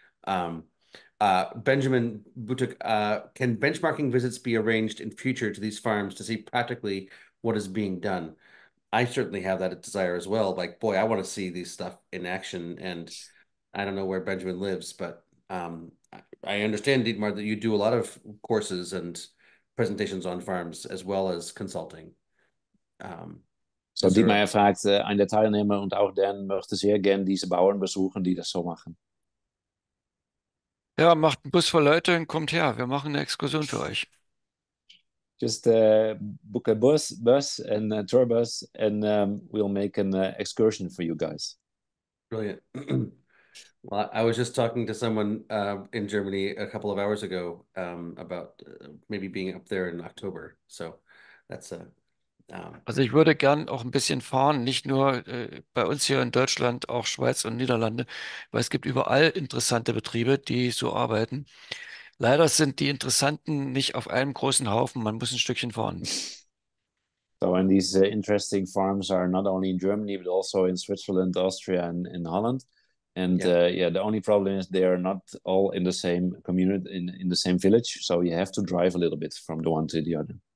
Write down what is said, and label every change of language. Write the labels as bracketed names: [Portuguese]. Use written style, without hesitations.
[English] Benjamin Butuk, can benchmarking visits be arranged in future to these farms to see practically what is being done? I certainly have that desire as well. Like, boy, I want to see these stuff in action. And I don't know where Benjamin lives, but I understand, Dietmar, that you do a lot of courses and presentations on farms as well as consulting. [German] So Dietmar fragt ein Teilnehmer und auch Dan möchte sehr gerne diese Bauern besuchen, die das so machen. Ja, macht einen Bus voll Leute und kommt her. Wir machen eine Exkursion für euch. [English] Just book a bus and a tour bus and we'll make an excursion for you guys. Brilliant. Well, I was just talking to someone in Germany a couple of hours ago about maybe being up there in October. So that's a... [German] Also ich würde gern auch ein bisschen fahren, nicht nur bei uns hier in Deutschland, auch Schweiz und Niederlande, weil es gibt überall interessante Betriebe, die so arbeiten. Leider sind die Interessanten nicht auf einem großen Haufen, man muss ein Stückchen fahren. [English] So and these interesting farms are not only in Germany, but also in Switzerland, Austria and in Holland. And the only problem is they are not all in the same community, in the same village. So you have to drive a little bit from the one to the other.